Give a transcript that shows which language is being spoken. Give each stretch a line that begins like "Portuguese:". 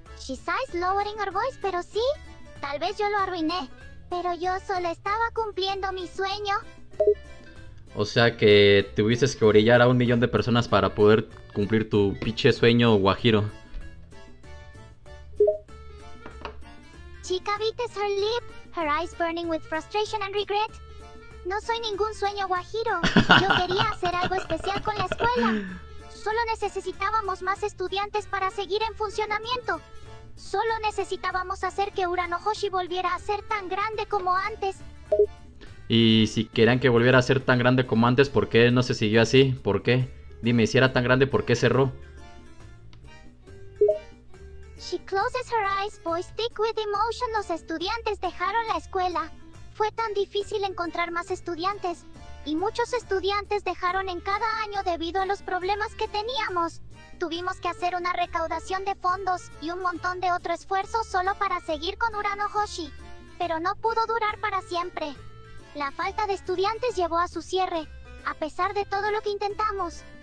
English: She sighs, lowering her voice,
Spanish: pero sí, tal vez yo lo arruiné. Pero yo solo estaba cumpliendo mi sueño. O sea que tuviste que orillar a 1 millón de personas para poder cumplir tu pinche sueño, guajiro.
English: Chica bites her lip, her eyes burning with frustration and regret.
Spanish: No soy ningún sueño guajiro. Yo quería hacer algo especial con la escuela. Solo necesitábamos más estudiantes para seguir en funcionamiento. Solo necesitábamos hacer que Urano Hoshi volviera a ser tan grande como antes. Y si querían que volviera a ser tan grande como antes, ¿por qué no se siguió así? ¿Por qué? Dime, si era tan grande, ¿por qué cerró?
English: She closes her eyes, voice thick with emotion.
Spanish: Los estudiantes dejaron la escuela. Fue tan difícil encontrar más estudiantes. Y muchos estudiantes dejaron en cada año debido a los problemas que teníamos. Tuvimos que hacer una recaudación de fondos y un montón de otro esfuerzo solo para seguir con Urano Hoshi. Pero no pudo durar para siempre. La falta de estudiantes llevó a su cierre, a pesar de todo lo que intentamos.